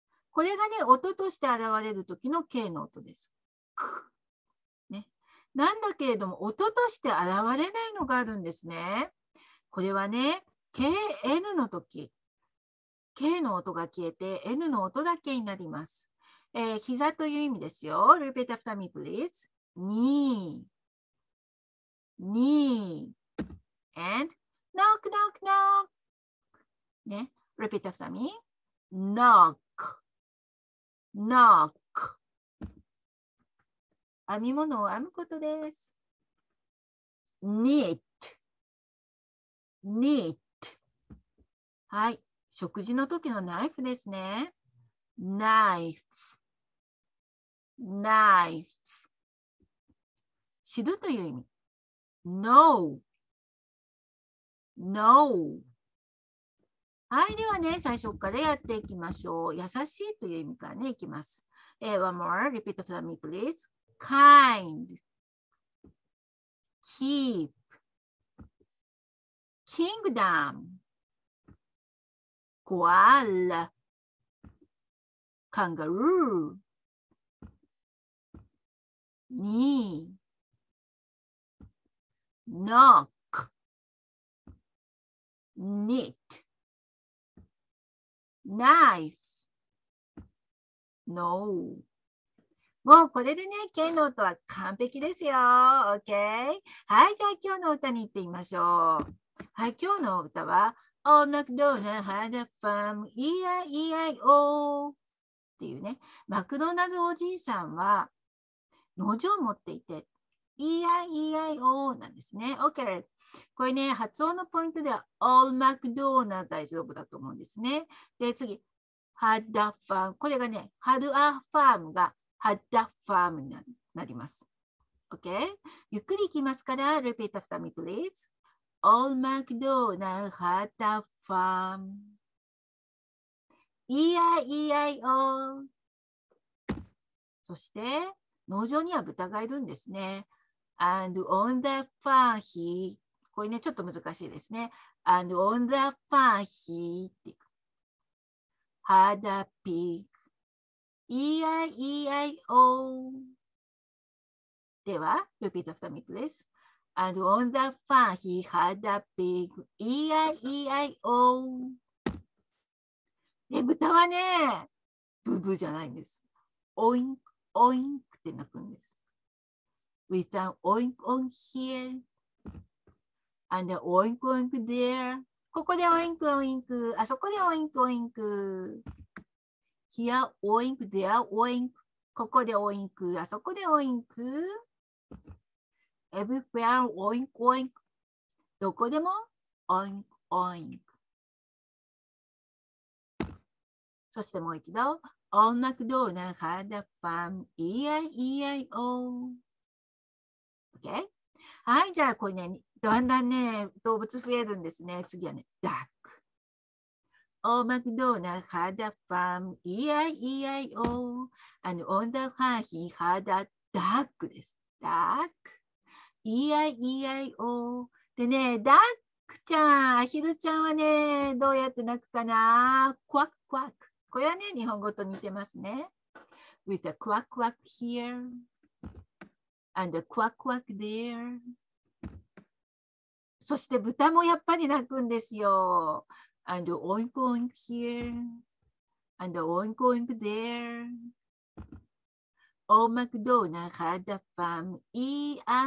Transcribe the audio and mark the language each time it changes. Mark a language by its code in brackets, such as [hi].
[ja] これがね、音として現れるときの K の音です。ク。ね。なんだけれども、音として現れないのがあるんですね。これはね、KN のとき。K の音が消えて、N の音だけになります。膝という意味ですよ。 [en] Repeat after me, please. Knee, knee, and knock, knock, knock. ね、repeat after me. Knock, knock. [ja] 編み物を編むことです。 [en] Knit, knit. [ja] はい、食事の時のナイフですね。 [en] Knife, knife. [ja] 知るという意味。 [en] No. No. [ja] はい、ではね、最初からやっていきましょう。優しいという意味からね、いきます。 [en] One more, repeat after me, please. Kind. Keep. Kingdom. Koala. Kangaroo. Knee. Knock, knit, knife, know. [ja] もうこれでね、剣の音は完璧ですよ。 [en] OK? [ja] はい、じゃあ今日の歌に行ってみましょう。はい、今日の歌は、 [en] Old MacDonald had a farm, [ja] E-I-E-I-O っていうね、マクドナルドおじいさんは農場を持っていて、E-I-E-I-O なんですね。 [en] OK。 [ja] これね、発音のポイントでは、Old MacDonald 大丈夫だと思うんですね。で、次、 [en] had a farm。 [ja] これがね、had a farm が、had a farm になります。 [en] OK? [ja] ゆっくりいきますから、 [en] repeat after me, please. Old MacDonald had a farm. E-I-E-I-O. [ja] そして、農場には豚がいるんですね。 [en] And on the farm he... [ja] これね、ちょっと難しいですね。 [en] And on the farm he... [ja] って [en] had a pig. E-I-E-I-O [ja] では [en] repeat after me please. And on the farm he had a pig. [ja] E-I-E-I-O で豚はねブブじゃないんです。オインクオインクって鳴くんです。 [en] With an oink on here and an oink oink there. [ja] ここでオインクオインク、あそこでオインクオインク、 [en] Here oink, there oink. [ja] ここで oink, あそこで oink. [en] Everywhere oink, oink. [ja] どこでも [en] oink, oink. [ja] そしてもう一度。 [en] Old MacDonald had a farm, E-I-E-I-O. Okay? [ja] はい、じゃあこれね、だんだんね、動物増えるんですね。次はね、duck. [en] Old MacDonald had a farm, E-I-E-I-O. And on the farm, he had a duck. [ja] です。 [en] Duck, E-I-E-I-O. [ja] でね、ダックちゃん、アヒルちゃんはね、どうやって鳴くかな？クワッククワック。これはね、日本語と似てますね。 [en] With a quack quack here. And a quack quack there. [ja] そして豚もやっぱり鳴くんですよ。 [en] And oink oink here, and oink oink there. Old MacDonald had a farm, E-I-E-I-O.